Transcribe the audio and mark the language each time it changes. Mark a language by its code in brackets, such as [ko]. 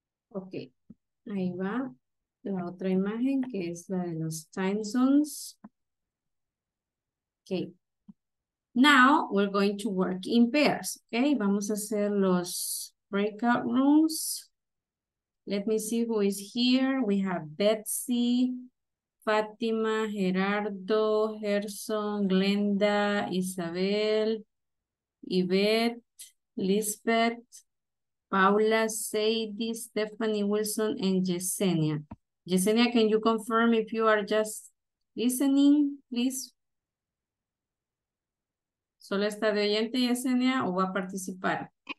[es] Okay, ahí va la otra imagen que es la de los time zones. [en] Okay, now we're going to work in pairs. [es] Okay, vamos a hacer los breakout rooms. [en] Let me see who is here. We have Betsy, Fátima, Gerardo, Gerson, Glenda, Isabel, Yvette, Lisbeth, Paula, Sadie, Stephanie Wilson, and Yesenia. Yesenia, can you confirm if you are just listening, please? [es] ¿Solo está de oyente, Yesenia, o va a participar?